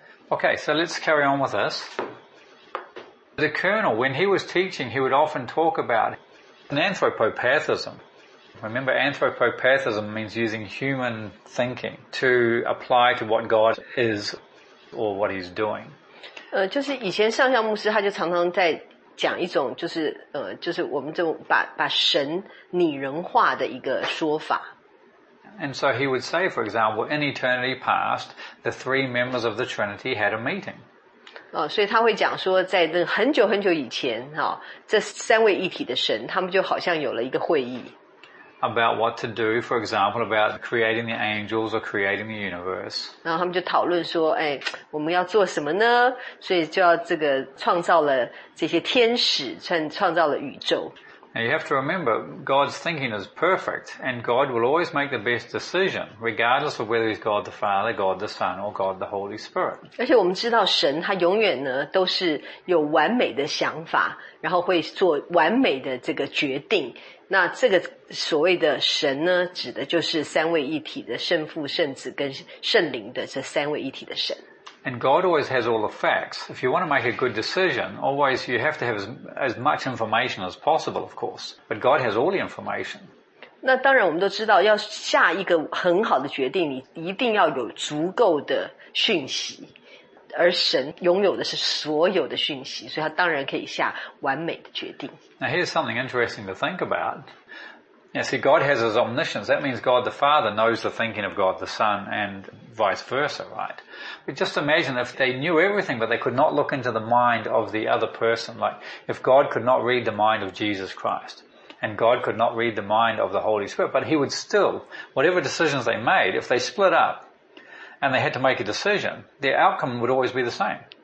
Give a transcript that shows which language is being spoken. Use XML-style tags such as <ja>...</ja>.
<en>Okay, so let's carry on with this. The Colonel, when he was teaching, he would often talk about an anthropopathism. Remember, anthropopathism means using human thinking to apply to what God is or what he's doing.</en> <zh>就是以前上校牧师他就常常在讲一种就是我们这种把神拟人化的一个说法。</zh> <en>And so he would say, for example, in eternity past, the three members of the Trinity had a meeting.</en> <zh>所以他会讲说在那很久很久以前这三位一体的神他们就好像有了一个会议。</zh> <en>About what to do, for example, about creating the angels or creating the universe.</en> <zh>然后他们就讨论说哎我们要做什么呢所以就要这个创造了这些天使创造了宇宙。</zh> <en>Now you have to remember, God's thinking is perfect, and God will always make the best decision, regardless of whether he's God the Father, God the Son, or God the Holy Spirit.</en> <zh>而且我们知道神他永远呢都是有完美的想法然后会做完美的这个决定。那这个所谓的神呢指的就是三位一体的圣父圣子跟圣灵的这三位一体的神。</zh> <en>And God always has all the facts. If you want to make a good decision, always you have to have as much information as possible, of course. But God has all the information.</en> <zh>那当然我们都知道要下一个很好的决定你一定要有足够的讯息。而神拥有的是所有的讯息所以他当然可以下完美的决定。</zh> <en>Now here's something interesting to think about. Yeah, see, God has his omniscience. That means God the Father knows the thinking of God the Son and vice versa, right? But just imagine if they knew everything but they could not look into the mind of the other person. Like, if God could not read the mind of Jesus Christ and God could not read the mind of the Holy Spirit, but he would still, whatever decisions they made, if they split up,And they had to make a decision, their outcome would always be the same.</en>